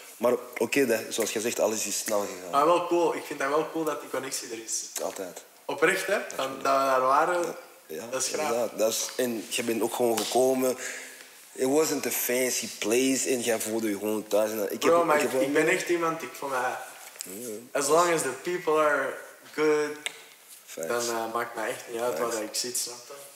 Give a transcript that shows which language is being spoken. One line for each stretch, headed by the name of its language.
Dutch: Maar oké, zoals je zegt, alles is snel gegaan. Maar wel cool. Ik vind dat wel cool dat die connectie er is. Altijd. Oprecht, hè. Dat we daar waren, dat is graag. En je bent ook gewoon gekomen.
English: It wasn't a fancy place
Dutch: en jij voelde je gewoon thuis. Ik ben echt iemand die voor mij...
English: Yeah. As long as the people are good, facts.
Dutch: Dan maakt mij echt niet uit waar ik zit, snap je?